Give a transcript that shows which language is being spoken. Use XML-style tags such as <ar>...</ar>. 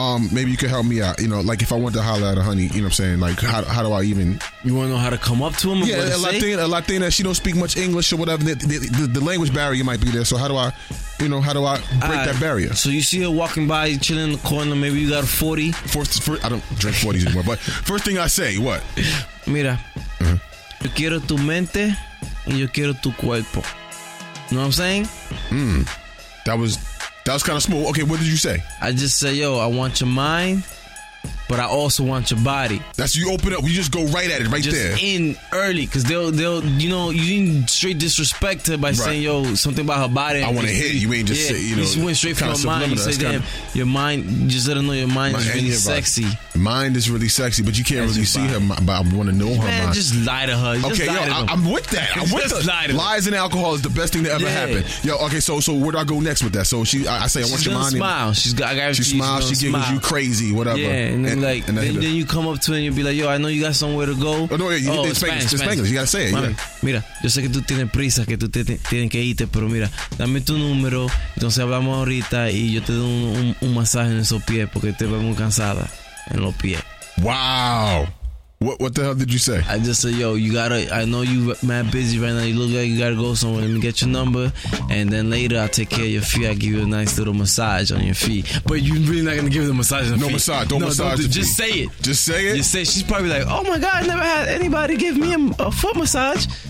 <en>Maybe you could help me out. You know, like if I want to holler at a honey, you know what I'm saying? Like, how do I even... You want to know how to come up to him? Yeah, a Latina, she don't speak much English or whatever. The language barrier might be there. So how do I break that barrier? So you see her walking by, chilling in the corner. Maybe you got a 40. First, I don't drink 40s anymore. But first thing I say, what?</en> <es>Mira, yo quiero tu mente y yo quiero tu cuerpo.</es> <en>You know what I'm saying? That was kind of smooth. Okay, what did you say? I just said, yo, I want your mind, but I also want your body. That's you open up. You just go right at it, right just there. Just in early, because they'll, you know, you didn't straight disrespect her by right. saying, yo, something about her body. I want to hit. You ain't just yeah, say, you know. You went straight for her mind. You said, damn, your mind, just let her know your mind is really sexy. Mind is really sexy, but you can't really see her mind, but I want to know her mind. Just lie to her. Just okay, yo, I'm with that. I'm with just lie to her. Lies and alcohol is the best thing that ever happened. Yo, okay, so where do I go next with that? So she, I say, I want your mind. Smile. She's got, I got she smiles. She giggles. You crazy, whatever. Yeah, And then you come up to her and you'll be like, yo, I know you got somewhere to go. Oh, no, yeah, it's Spanish. You got to say it. Mami,</en> <es>mira, yo sé que tú tienes prisa, que tú tienes que irte, pero mira, dame tu número, entonces hablamos ahorita y yo te doy un masaje en esos pies porque te veo muy cansada en los pies.</es> <en>Wow. What the hell did you say? I just said, yo, you got to, I know you mad busy right now. You look like you got to go somewhere. Let me get your number. And then later I'll take care of your feet. I'll give you a nice little massage on your feet. But you really not going to give the massage on no feet. Massage. Don't no, massage. Don't massage. Just feet. Say it. Just say it. You say she's probably like, oh my God, I never had anybody give me a foot massage.</en>